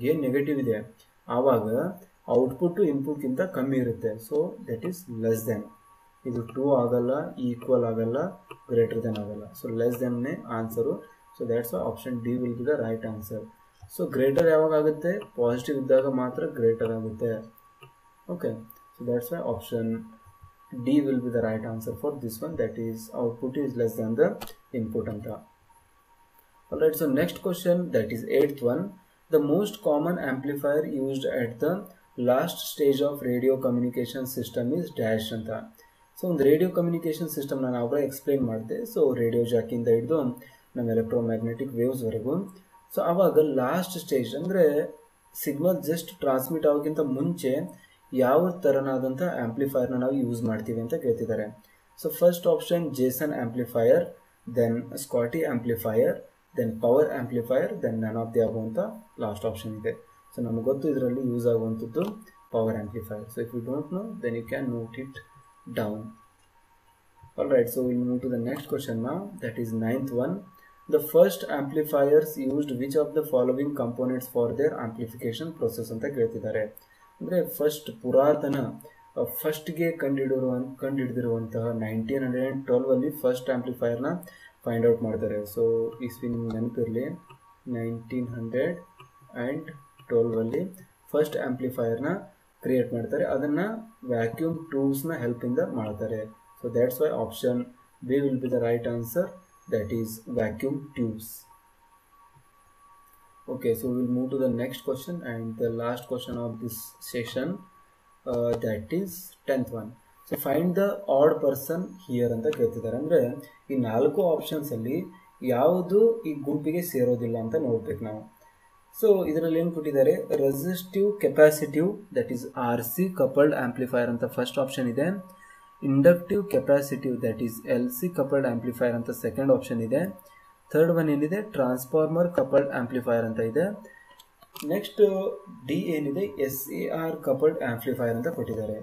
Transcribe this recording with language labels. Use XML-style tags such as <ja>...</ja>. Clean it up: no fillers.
<kn>Gain negative ಇದೆ ಆವಾಗ output ಇನ್ಪುಟ್ಗಿಂತ ಕಮ್ಮಿ ಇರುತ್ತೆ,</kn> <en>so that is less than,</en> <kn>ಇದು ಟೂ ಆಗಲ್ಲ, ಈಕ್ವಲ್ ಆಗಲ್ಲ, ಗ್ರೇಟರ್ ದೆನ್ ಆಗಲ್ಲ.</kn> <en>So less ದೆನ್ನೇ answer. So that's option D will be the right answer.</en> <kn>So greater ಯಾವಾಗ ಆಗುತ್ತೆ? ಪಾಸಿಟಿವ್ ಇದ್ದಾಗ ಮಾತ್ರ ಗ್ರೇಟರ್ ಆಗುತ್ತೆ.</kn> <en>Okay, so that's option D will be the right answer for this one, that is output is less than the input anta. All right, so next question, that is eighth one, the most common amplifier used at the last stage of radio communication system is dash anta.</en> <kn>So</kn> <en>on the radio communication system</en> <kn>nan avaga explain madde, so radio jack inda iddu nam electromagnetic waves varegu. So avaga last stage andre signal just transmit avaginta munche ಯಾವ ತರನಾದಂಥ ಆ್ಯಂಪ್ಲಿಫೈಯರ್ನ ನಾವು use ಮಾಡ್ತೀವಿ ಅಂತ ಕೇಳ್ತಿದ್ದಾರೆ.</kn> <en>so first option ಜೇಸನ್ amplifier, then ಸ್ಕಾಟಿ amplifier, then power amplifier, then none of the above</en> <kn>ಅಂತ last option ಇದೆ. So ನಮ್ಗೆ ಗೊತ್ತು ಇದರಲ್ಲಿ ಯೂಸ್ ಆಗುವಂಥದ್ದು power amplifier.</kn> <en>So if you don't know then you can note it down. All right, so will move to the next question ನಾ, that is ninth one, the first amplifiers used which of the following components for their amplification process</en> <kn>ಅಂತ ಕೇಳ್ತಿದ್ದಾರೆ. ಅಂದರೆ first ಪುರಾತನ ಫಸ್ಟ್ಗೆ ಕಂಡುಹಿಡಿದಿರುವಂತಹ 1912 ಅಲ್ಲಿ first ಆ್ಯಂಪ್ಲಿಫೈಯರ್ನ find out ಮಾಡ್ತಾರೆ. So ಇಸ್ವಿ ನಿಮ್ಗೆ ನೆನಪಿರಲಿ, 1912 ಅಲ್ಲಿ ಫಸ್ಟ್ ಆ್ಯಂಪ್ಲಿಫೈಯರ್ನ ಕ್ರಿಯೇಟ್ ಮಾಡ್ತಾರೆ, ಅದನ್ನು ವ್ಯಾಕ್ಯೂಮ್ ಟೂಲ್ಸ್ನ ಹೆಲ್ಪಿಂದ ಮಾಡ್ತಾರೆ.</kn> <en>So that's why option B will be the right answer, that is vacuum tubes. Okay, so we'll move to the next question and the last question of this session, that is 10th one. So find the odd person here</en> <kn>ಅಂತ ಕೇಳ್ತಿದ್ದಾರೆ. ಅಂದರೆ ಈ ನಾಲ್ಕು ಆಪ್ಷನ್ಸಲ್ಲಿ ಯಾವುದು ಈ ಗುಂಪಿಗೆ ಸೇರೋದಿಲ್ಲ ಅಂತ ನೋಡ್ಬೇಕು ನಾವು. ಸೊ ಇದರಲ್ಲಿ ಏನು ಕೊಟ್ಟಿದ್ದಾರೆ, resistive capacitive that is R C coupled amplifier ಅಂತ ಫಸ್ಟ್ ಆಪ್ಷನ್ ಇದೆ, inductive capacitive that is L C coupled amplifier ಅಂತ ಸೆಕೆಂಡ್ ಆಪ್ಷನ್ ಇದೆ, ಥರ್ಡ್ ಒನ್ ಏನಿದೆ ಟ್ರಾನ್ಸ್ಫಾರ್ಮರ್ ಕಪಲ್ಡ್ ಆ್ಯಂಪ್ಲಿಫೈಯರ್ ಅಂತ ಇದೆ, ನೆಕ್ಸ್ಟ್ ಡಿ ಏನಿದೆ S A R coupled amplifier ಅಂತ ಕೊಟ್ಟಿದ್ದಾರೆ.</kn>